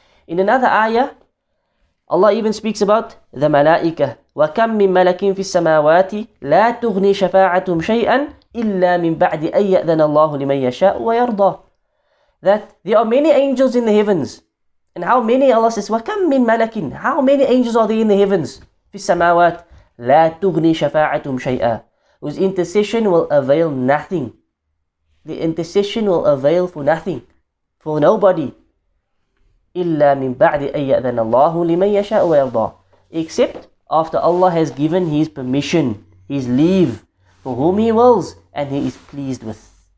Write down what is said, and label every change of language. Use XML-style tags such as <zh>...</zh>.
<en>In another ayah, Allah even speaks about the malaika.</en> <ar>وَكَمْ مِنْ مَلَكٍ فِي السَّمَاوَاتِ لَا تُغْنِي شَفَاعَتُهُمْ شَيْئًا إِلَّا مِنْ بَعْدِ أَيَّذَنَ اللَّهُ لِمَنْ يَشَاءُ وَيَرْضَى.</ar> <en>That there are many angels in the heavens. And how many, Allah says,</en> <ar>وَكَمْ مِنْ مَلَكٍ,</ar> <en>how many angels are there in the heavens?</en> <ar>فِي السَّمَاوَاتِ لَا تُغْنِي شَفَاعَتُهُمْ شَيْئًا,</ar> <en>whose intercession will avail nothing. The intercession will avail for nothing, for nobody.</en> <ar>إِلَّا مِنْ بَعْدِ أَيَّذَنَ اللَّهُ لِمَنْ يَشَاءُ وَيَرْضَى.</ar> <en>Except after Allah has given His permission, His leave, for whom He wills and He is pleased with.</en>